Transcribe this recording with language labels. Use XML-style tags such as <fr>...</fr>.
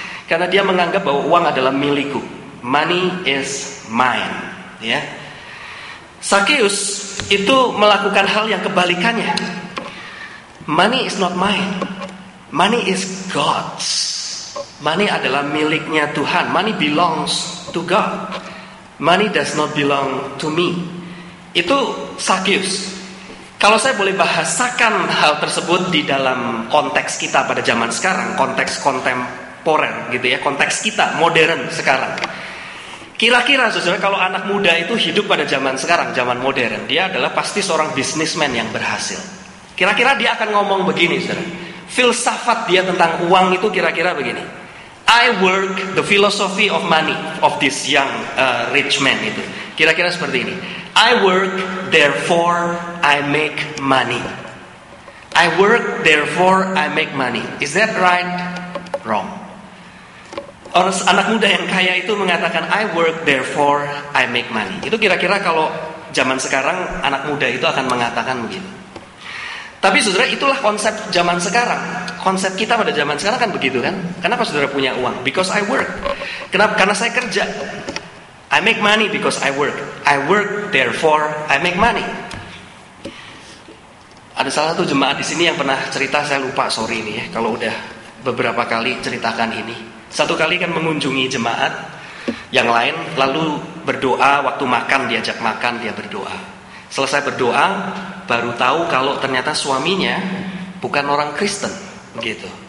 <id>Karena dia menganggap bahwa uang adalah milikku.</id> <en>Money is mine,</en> <id>ya. Zakheus itu melakukan hal yang kebalikannya.</id> <en>Money is not mine. Money is God's.</en> <id>Money adalah miliknya Tuhan.</id> <en>Money belongs to God. Money does not belong to me.</en> <id>Itu Zakheus. Kalau saya boleh bahasakan hal tersebut di dalam konteks kita pada zaman sekarang, konteks kontemporer gitu ya, konteks kita modern sekarang. Kira-kira, saudara, kalau anak muda itu hidup pada zaman sekarang, zaman modern, dia adalah pasti seorang bisnismen yang berhasil. Kira-kira dia akan ngomong begini, saudara. Filsafat dia tentang uang itu kira-kira begini.</id> <en>I work the philosophy of money of this young rich man itu.</en> <id>Kira-kira seperti ini.</id> <en>I work, therefore I make money. I work, therefore I make money. Is that right? Wrong.</en> <id>Orang anak muda yang kaya itu mengatakan</id> <en>I work, therefore I make money.</en> <id>Itu kira-kira kalau zaman sekarang anak muda itu akan mengatakan begini. Tapi saudara, itulah konsep zaman sekarang. Konsep kita pada zaman sekarang kan begitu kan? Kenapa saudara punya uang?</id> <en>Because I work.</en> <id>Kenapa? Karena saya kerja.</id> <en>I make money because I work. I work, therefore I make money.</en> <id>Ada salah satu jemaat di sini yang pernah cerita, saya lupa, sorry ini ya, kalau udah beberapa kali ceritakan ini. Satu kali kan mengunjungi jemaat yang lain, lalu berdoa, waktu makan, diajak makan, dia berdoa. Selesai berdoa, baru tahu kalau ternyata suaminya bukan orang Kristen, gitu.</id>